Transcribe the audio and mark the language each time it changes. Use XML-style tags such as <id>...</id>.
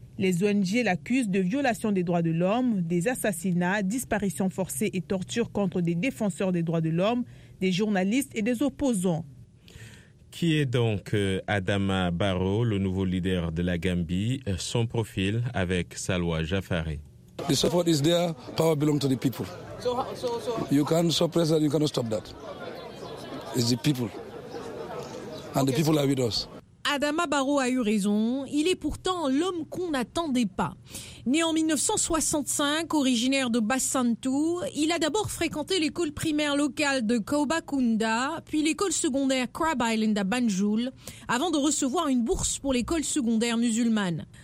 <fr>Les ONG l'accusent de violation des droits de l'homme, des assassinats, disparitions forcées et tortures contre des défenseurs des droits de l'homme, des journalistes et des opposants. Qui est donc Adama Barrow, le nouveau leader de la Gambie? Son profil avec Salwa Jafaré.</fr> <en>The support is there. Power belongs to the people. You can't suppress that. You cannot stop that. It's the people, and the people are with us.</en> <fr>Adama Barrow a eu raison. Il est pourtant l'homme qu'on n'attendait pas. Né en 1965, originaire de Bassantou, il a d'abord fréquenté l'école primaire locale de Kaobakunda, puis l'école secondaire Crab Island à Banjul, avant de recevoir une bourse pour l'école secondaire musulmane.</fr>